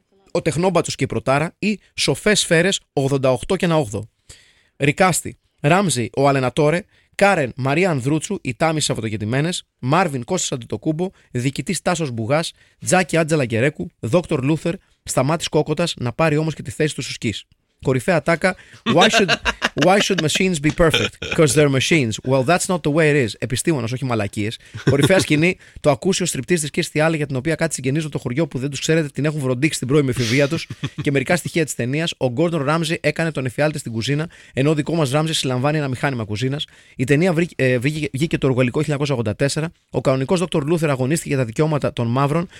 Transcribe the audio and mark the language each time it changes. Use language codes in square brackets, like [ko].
[el] Ο τεχνόμπατσος και η προτάρα ή σοφές σφαίρες 88 και ένα 8. Ρικάστη. Ράμζι, ο Αλενατόρε. Κάρεν, Μαρία Ανδρούτσου, η Τάμι Σαββατοκεντημένε. Μάρβιν Κώστας Αντιτοκούμπο, διοικητή Τάσο Μπουγά. Τζάκι Άντζελα Γκερέκου, Δόκτωρ Λούθερ. Σταμάτης Κόκοτας να πάρει όμως και τη θέση του Σουσκής. κορυφαία τάκα. [en] Why should machines be perfect? Because they're machines. Well, that's not the way it is. [el] Επιστήμονας, όχι μαλακίες. Κορυφαία σκηνή. Το ακούσιο στριπτής της Κίστη Άλλη, για την οποία κάτι συγγενίζουν το χωριό που δεν τους ξέρετε, την έχουν βροντίξει στην πρώιμη εφηβεία τους. Και μερικά στοιχεία της ταινίας. Ο Γκόρντον Ράμζι έκανε τον εφιάλτη στην κουζίνα, ενώ ο δικό μας Ράμζι συλλαμβάνει ένα μηχάνημα κουζίνας. Η ταινία βγήκε το εργολικό 1984. Ο κανονικός Δόκτωρ Λούθερ αγωνίστηκε για τα δικαιώματα των μαύρων.